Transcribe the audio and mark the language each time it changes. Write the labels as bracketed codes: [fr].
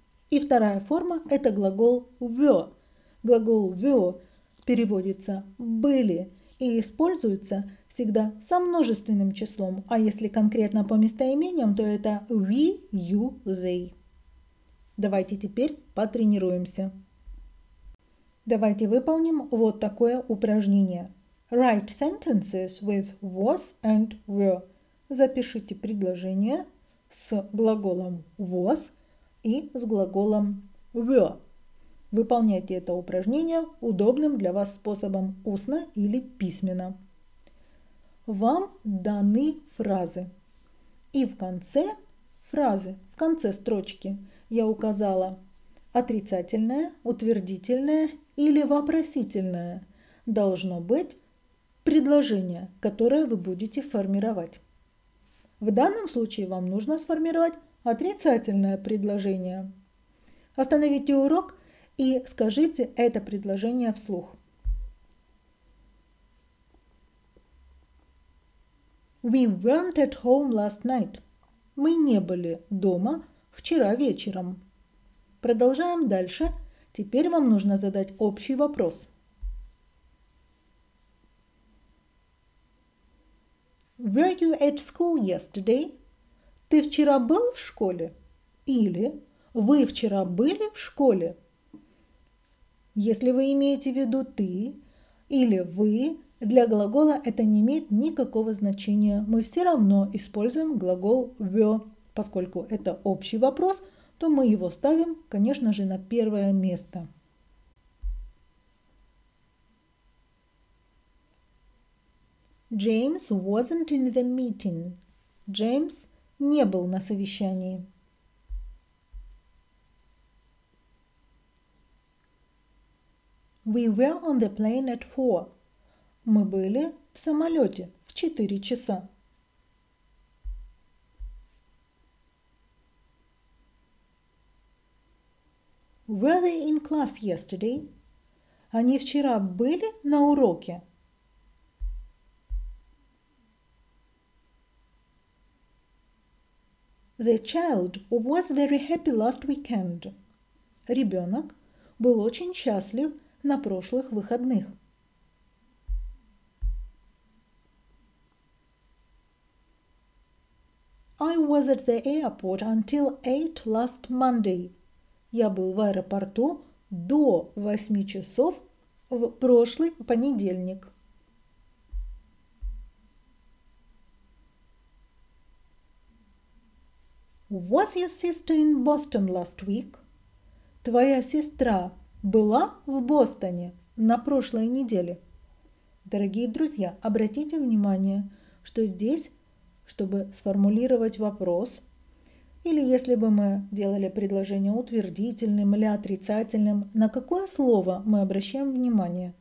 [ru] И вторая форма – это глагол were. Глагол were переводится «были» и используется всегда со множественным числом. А если конкретно по местоимениям, то это we, you, they. Давайте теперь потренируемся. Давайте выполним вот такое упражнение. [en] Write sentences with was and were. [ru] Запишите предложение с глаголом was и с глаголом were. Выполняйте это упражнение удобным для вас способом устно или письменно. Вам даны фразы. И в конце фразы, в конце строчки я указала отрицательное, утвердительное или вопросительное. Должно быть предложение, которое вы будете формировать. В данном случае вам нужно сформировать отрицательное предложение. Остановите урок и скажите это предложение вслух. [en] We weren't at home last night. [ru] Мы не были дома вчера вечером. Продолжаем дальше. Теперь вам нужно задать общий вопрос. [en] Were you at school yesterday? [ru] Ты вчера был в школе? Или вы вчера были в школе? Если вы имеете в виду ты или вы, для глагола это не имеет никакого значения. Мы все равно используем глагол were. Поскольку это общий вопрос, то мы его ставим, конечно же, на первое место. [en] James wasn't in the meeting. [ru] Джеймс не был на совещании. [en] We were on the plane at 4. [ru] Мы были в самолете в 4 часа. [en] Were they in class yesterday? [ru] Они вчера были на уроке? [en] The child was very happy last weekend. [ru] Ребенок был очень счастлив на прошлых выходных. [en] I was at the airport until 8 last Monday. [ru] Я был в аэропорту до 8 часов в прошлый понедельник. [en] Was your sister in Boston last week? [ru] Твоя сестра была в Бостоне на прошлой неделе. Дорогие друзья, обратите внимание, что здесь, чтобы сформулировать вопрос, или если бы мы делали предложение утвердительным или отрицательным, на какое слово мы обращаем внимание?